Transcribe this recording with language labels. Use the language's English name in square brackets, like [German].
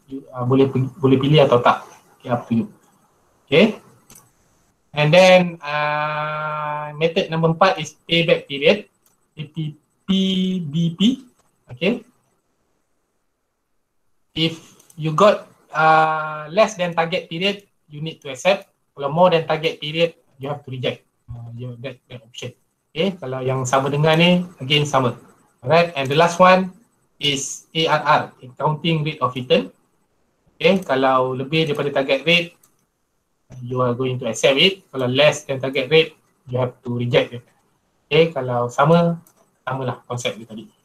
[Malay] You boleh pilih atau tak. [English] Okay, up to you. Okay, and then method number 4 is payback period. PBP. Okay, if you got less than target period, you need to accept. Kalau more than target period, you have to reject. You have that option. [Malay] Okay, kalau yang sama dengan ni, again sama. [English] Alright, and the last one is ARR, accounting rate of return. Okay, [Malay] kalau lebih daripada [English] target rate, you are going to accept it. Kalau less than target rate, you have to reject it. Okay, [Malay] kalau sama, samalah konsep dia tadi.